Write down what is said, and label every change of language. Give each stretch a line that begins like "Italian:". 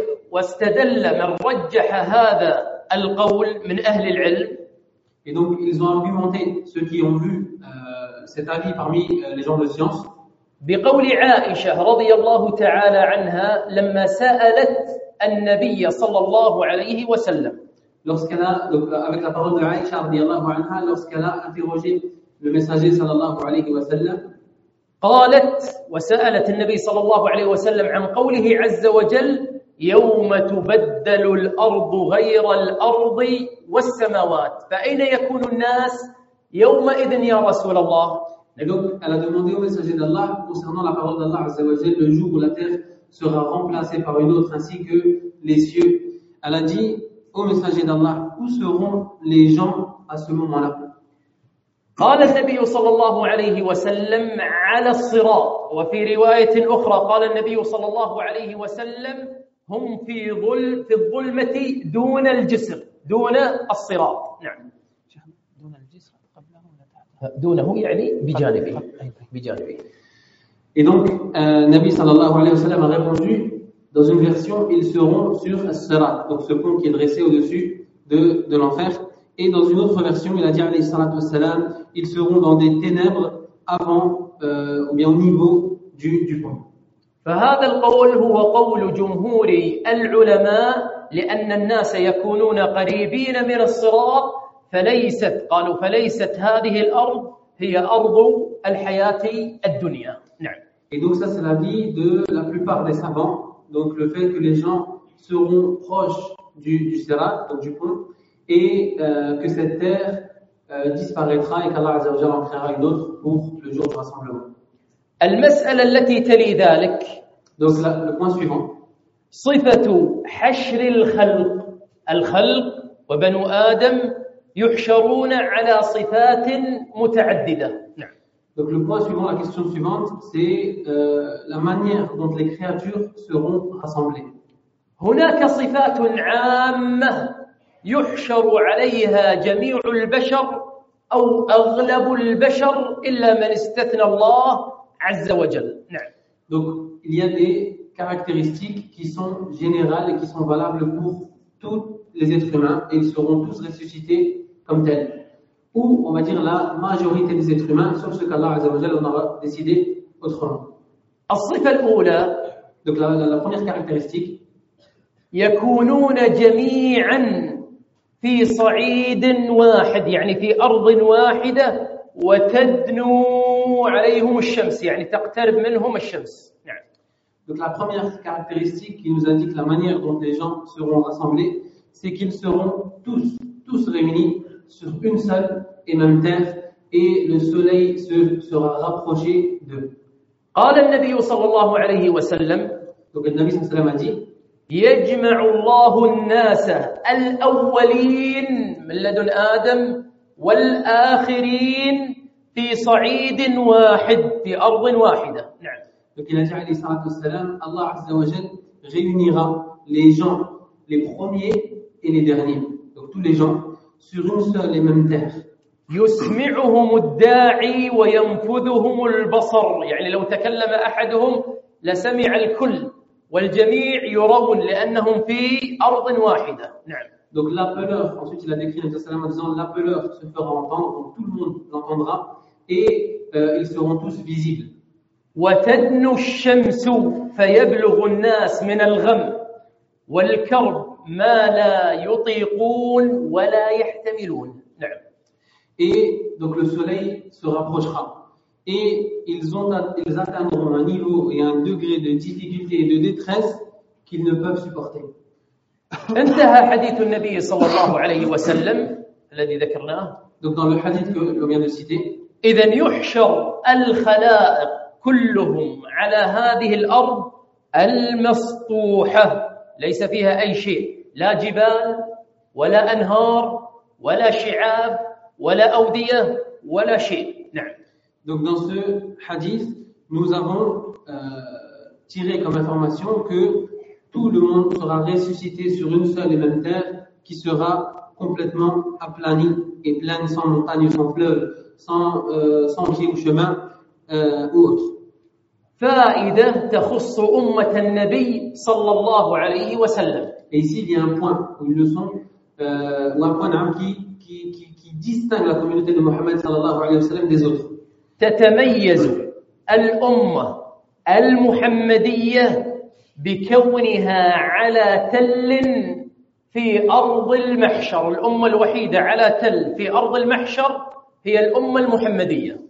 Arabic: واستدل من رجح هذا القول من أهل العلم.
French: Et donc ils ont argumenté, ceux qui ont vu cet avis parmi les gens de science.
Arabic: بقول عائشة رضي الله تعالى عنها لما سألت النبي صلى الله عليه وسلم.
French: Avec la parole de Aïcha
Arabic: رضي الله عنها,
French: lorsqu'elle a interrogé le messager
Arabic: صلى الله عليه وسلم. قالت وسألت النبي صلى الله عليه وسلم عن قوله عز وجل يوم تبدل الأرض غير الأرض والسماوات. فأين يكون الناس يومئذ يا رسول الله؟
French: Donc, elle a demandé au messager d'Allah concernant la parole d'Allah
Arabic: Azza wa Jal,
French: le jour où la terre sera remplacée par une autre ainsi que les cieux. Elle a dit au messager d'Allah, où seront les gens à ce moment-là?
Arabic: قال النبي صلى الله عليه وسلم على الصراط وفي رواية أخرى قال النبي صلى الله عليه وسلم هم في الظلمة دون الجسر دون الصراط. نعم. دون الجسر قبله ولا بعده؟ دونه يعني بجانبه. بجانبه.
French: Et donc Nabi
Arabic: صلى الله عليه وسلم
French: a répondu dans une version ils seront sur al-sirat donc ce pont qui est dressé au-dessus de l'enfer. Et dans une autre version, il a dit,
Arabic: alayhi salatu wassalam,
French: ils seront dans des ténèbres avant, ou bien au niveau du pont.
Arabic: فهذا القول هو قول جمهور العلماء لأن الناس يكونون قريبين من الصراط فليست قالوا فليست هذه الأرض هي أرض الحياة الدنيا. نعم.
French: Et donc ça, c'est l'avis de la plupart des savants. Donc le fait que les gens seront proches du sirat, donc du pont. Et que cette terre disparaîtra et qu'Allah
Arabic: Azza wa Jalla
French: en créera une autre pour le jour du rassemblement.
Arabic: المسألة التي تلي ذلك.
French: Donc là, le point suivant.
Arabic: صفة حشر الخلق. الخلق وبنو آدم يحشرون على صفات متعددة.
French: Donc le point suivant, la question suivante, c'est la manière dont les créatures seront rassemblées.
Arabic: هناك صفات عامة. يحشر عليها جميع البشر أو أغلب البشر إلا من استثنى الله عز وجل. نعم.
French: Donc il y a des caractéristiques qui sont générales et qui sont valables pour tous les êtres humains et ils seront tous ressuscités comme tels. Ou on va dire la majorité des êtres humains sauf ce qu'Allah
Arabic: عز وجل
French: en aura décidé autrement.
Arabic: الصفة الأولى.
French: Donc la première caractéristique.
Arabic: يكونون جميعا في صعيد واحد يعني في أرض واحدة وتدنو عليهم الشمس يعني تقترب منهم الشمس. نعم.
French: Donc la première caractéristique qui nous indique la manière dont les gens seront rassemblés, c'est qu'ils seront tous réunis sur une seule et même terre et le soleil sera rapproché d'eux.
Arabic: قال النبي صلى الله عليه وسلم.
French: Donc le Nabi
Arabic: صلى الله عليه وسلم
French: a dit.
Arabic: يجمع الله الناس الأولين من لدن آدم والآخرين في صعيد واحد في أرض واحدة. نعم. فكنا جعل إسحاق عليه السلام الله عز وجل
French: réunira les gens les premiers et les derniers donc tous les gens sur une seule et même terre.
Arabic: يسمعهم الداعي وينفذهم البصر يعني لو تكلم أحدهم لسمع الكل. والجميع يرون لأنهم في أرض واحدة. نعم.
French: Donc l'appeleur, ensuite il a décrit le Prophète
Arabic: صلى الله عليه وسلم
French: disant l'appeleur se fera entendre, donc tout le monde l'entendra et ils seront tous visibles.
Arabic: وتدنو الشمس فيبلغ الناس من الغم والكرب ما لا يطيقون ولا يحتملون. نعم.
French: Et donc le soleil se rapprochera. Et ils atteindront un niveau et un degré de difficulté et de détresse qu'ils ne peuvent supporter.
Arabic: انتهى حديث النبي صلى الله عليه وسلم الذي ذكرناه.
French: Donc dans le hadith que l'on vient de citer.
Arabic: إذا يحشر الخلائق كلهم على هذه الأرض المسطوحة ليس فيها أي شيء لا جبال ولا أنهار ولا شعاب ولا أودية ولا شيء.
French: Donc dans ce hadith, nous avons tiré comme information que tout le monde sera ressuscité sur une seule et même terre qui sera complètement aplanie et pleine sans montagne, sans fleuve, sans pied ou chemin ou autre.
Arabic: فَإِذَا تَخُصُ أُمَّةَ النَّبِيِّ صَلَّى اللَّهُ عَلَيْهِ وَسَلَّمْ.
French: Et ici, il y a un point, une leçon, ou un point qui distingue la communauté de Mohammed
Arabic: sallallahu alayhi wa sallam
French: des autres.
Arabic: تتميز الأمة المحمدية بكونها على تل في أرض المحشر الأمة الوحيدة على تل في أرض المحشر هي الأمة المحمدية.